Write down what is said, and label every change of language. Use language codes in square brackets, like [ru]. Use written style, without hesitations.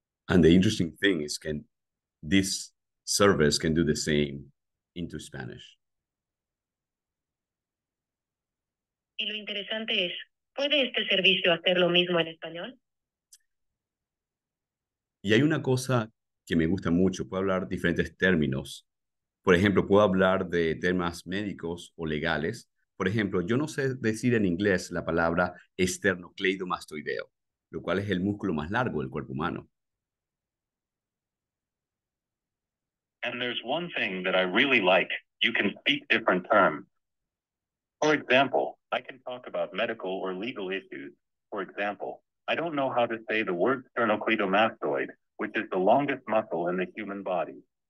[en] And the interesting thing is, can this service can do the same into Spanish. [es] Y lo interesante es, ¿puede este servicio hacer lo mismo en español? Y hay una cosa que me gusta mucho, puedo hablar diferentes términos. Por ejemplo, puedo hablar de temas médicos o legales. Por ejemplo, yo no sé decir en inglés la palabra esternocleidomastoideo, lo cual es el músculo más largo del cuerpo humano. [en] And there's one thing that I really like. You can speak different terms. For example, I can talk about medical or legal issues. For example, I don't know how to say the word sternocleidomastoid, which is the longest muscle in the human body.